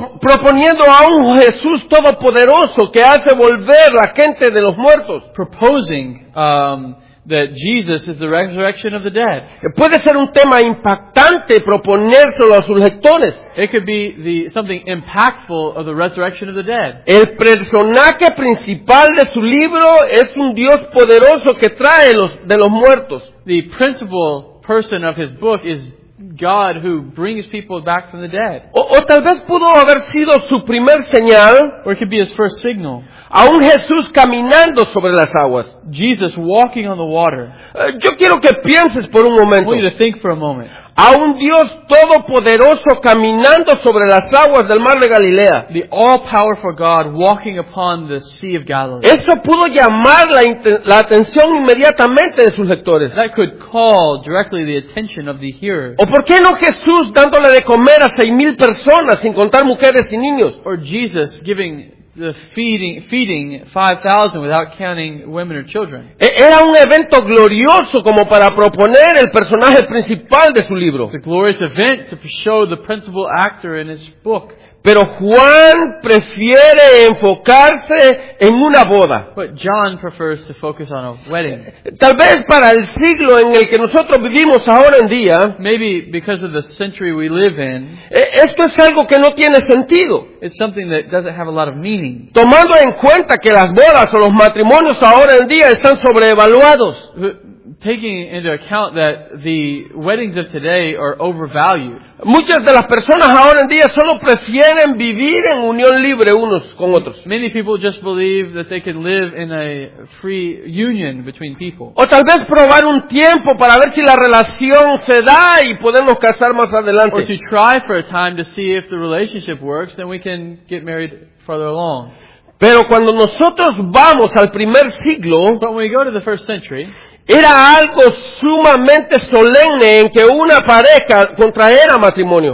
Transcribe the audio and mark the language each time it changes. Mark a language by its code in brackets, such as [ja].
[es] Proponiendo a un Jesús todopoderoso que hace volver la gente de los muertos. [en] Proposing that Jesus is the resurrection of the dead. [es] Puede ser un tema impactante proponérselo a sus lectores. [en] It could be something impactful of the resurrection of the dead. [es] El personaje principal de su libro es un Dios poderoso que trae de los muertos. [en] The principal person of his book is God who brings people back from the dead. [es] O tal vez pudo haber sido su primer señal. [en] Or it could be his first signal. [es] A un Jesús caminando sobre las aguas. [en] Jesus walking on the water. [es] Yo quiero que pienses por un momento. [en] I want you to think for a moment. [es] A un Dios todopoderoso caminando sobre las aguas del mar de Galilea. [en] The all-powerful God walking upon the Sea of Galilee. [es] Eso pudo llamar la atención inmediatamente de sus lectores. [en] That could call directly the attention of the hearers. [es] ¿O por qué no Jesús dándole de comer a 6,000 personas sin contar mujeres y niños? [en] Or Jesus giving the feeding 5,000 without counting women or children. [es] Era un evento glorioso como para proponer el personaje principal de su libro. [en] It's a glorious event to show the principal actor in his book. [es] Pero Juan prefiere enfocarse en una boda. [en] But John prefers to focus on a wedding. [es] Tal vez para el siglo en el que nosotros vivimos ahora en día, [en] maybe because of the century we live in, [es] esto es algo que no tiene sentido. [en] It's something that doesn't have a lot of meaning. [es] Tomando en cuenta que las bodas o los matrimonios ahora en día están sobrevaluados. [en] Taking into account that the weddings of today are overvalued. [es] Muchas de las personas ahora en día solo prefieren vivir en unión libre unos con otros. [en] Many people just believe that they can live in a free union between people. [es] O tal vez probar un tiempo para ver si la relación se da y podemos casar más adelante. [en] Or to try for a time to see if the relationship works, then we can get married further along. [es] Pero cuando nosotros vamos al primer siglo, [en] but when we go to the first century, [es] era algo sumamente solemne en que una pareja contrajera matrimonio.